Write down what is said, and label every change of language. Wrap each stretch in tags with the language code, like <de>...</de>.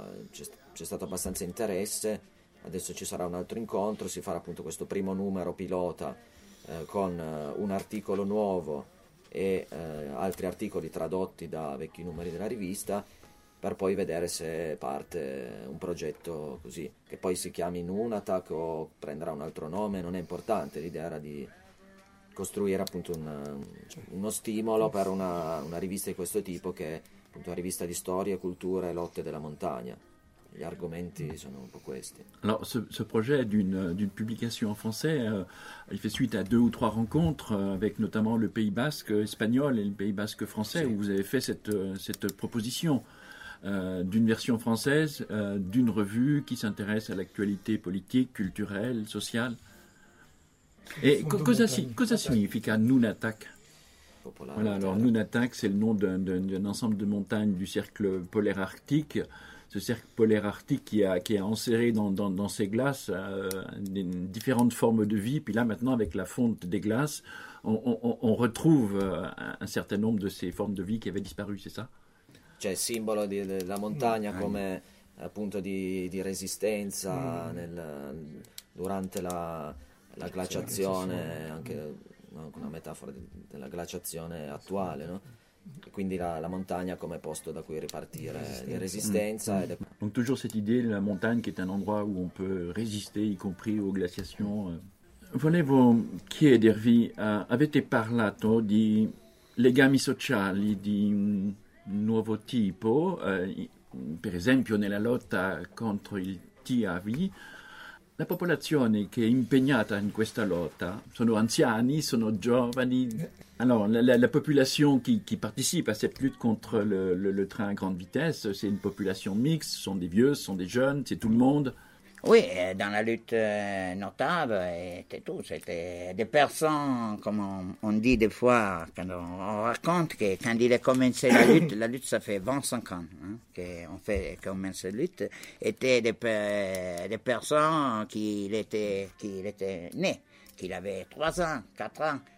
<it>c'è stato abbastanza interesse, adesso ci sarà un altro incontro, si farà appunto questo primo numero pilota con un articolo nuovo e altri articoli tradotti da vecchi numeri della rivista, per poi vedere se parte un progetto così, che poi si chiami Nunatak o prenderà un altro nome, non è importante, l'idea era di costruire appunto uno stimolo per una rivista di questo tipo, che è appunto una rivista di storia, cultura e lotte della montagna. Gli argomenti sono un po' questi.</it> <fr>Alors, ce projet d'une publication en français, il fait suite à 2 ou 3 rencontres avec notamment le Pays Basque espagnol et le Pays Basque français, où vous avez fait cette proposition d'une version française, d'une revue qui s'intéresse à l'actualité politique, culturelle, sociale. Et</fr> <it>cosa significa Nunatak?</it> <fr>Voilà, alors Nunatak, c'est le nom d'un ensemble de montagnes du cercle polaire arctique. Ce cercle polaire arctique qui a enserré dans ses glaces différentes formes de vie. Puis là, maintenant, avec la fonte des glaces, on retrouve un certain nombre de ces formes de vie qui avaient disparu, c'est ça?</fr> <it>cioè simbolo della montagna come appunto di resistenza durante la glaciazione, anche una metafora della glaciazione attuale, no? Quindi la montagna come posto da cui ripartire, di resistenza.</it> <fr>Donc toujours cette idée, la montagne qui est un endroit où on peut résister, y compris aux glaciations.</fr> <it>Volevo chiedervi, avete parlato di legami sociali di un nuovo tipo, per esempio nella lotta contro il TAV. La popolazione che è impegnata in questa lotta sono anziani, sono giovani. Allora, la popolazione che partecipa a questa lotta contro il</it> <fr>train a grande vitesse,</fr> <it>c'è una popolazione mixta, sono dei vieux, sono dei jeunes, c'è tutto il mondo.</it> <fr>Oui, dans la lutte notable, c'était tout. C'était des personnes, comme on dit des fois, quand on raconte que quand il a commencé la lutte, ça fait 25 ans hein, qu'on commence la lutte, étaient des personnes qui étaient nées, qui avaient 3 ans, 4 ans.</fr>